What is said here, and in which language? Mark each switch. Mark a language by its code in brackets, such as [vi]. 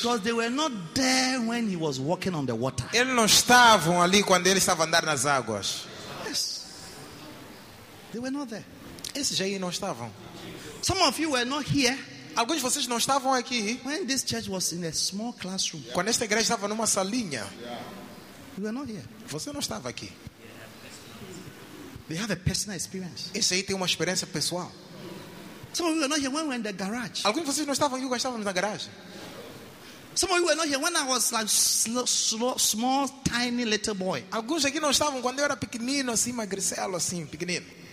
[en] Because they were not there when he was walking on the water. [pt] Eles não estavam ali quando ele estava andando nas águas. [en] Yes. They were not there. [pt] Esses aí não estavam. [en] Some of you were not here. [pt] Alguns de vocês não estavam aqui. [en] When this church was in a small classroom. [pt] Yeah. Quando esta igreja estava numa salinha. [en] Yeah. You were not here. [pt] Você não estava aqui. [en] They have a personal experience. [pt] Esse aí tem uma experiência pessoal. [en] Some of you were not here when we were in the garage. [pt] Alguns de vocês não estavam aqui quando estávamos na garagem. [en] Some of you were not here when I was like small, tiny little boy. [pt] Alguns aqui não estavam quando eu era pequenino, assim, magricelo, assim, pequenino.